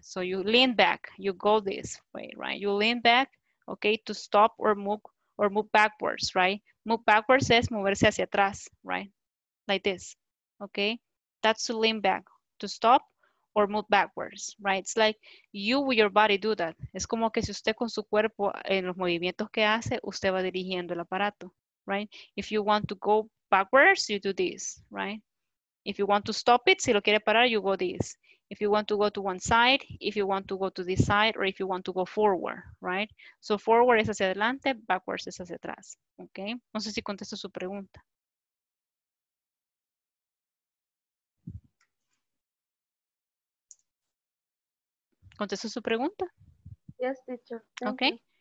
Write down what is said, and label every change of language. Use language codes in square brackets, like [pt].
[en] So you lean back, you go this way, right? You lean back. Okay, to stop or move backwards, right? Move backwards [es] es moverse hacia atrás, [en] right? Like this, okay? That's to lean back, to stop or move backwards, right? It's like you with your body do that. [es] Es como que si usted con su cuerpo, en los movimientos que hace, usted va dirigiendo el aparato, right? [en] If you want to go backwards, you do this, right? If you want to stop it, [es] si lo quiere parar, [en] you go this. If you want to go to one side, if you want to go to this side, or if you want to go forward, right? [es] So forward es hacia adelante, backwards es hacia atrás, okay? No sé si contesto su pregunta. ¿Contesto su pregunta? [en] Yes, teacher. Thank okay, you.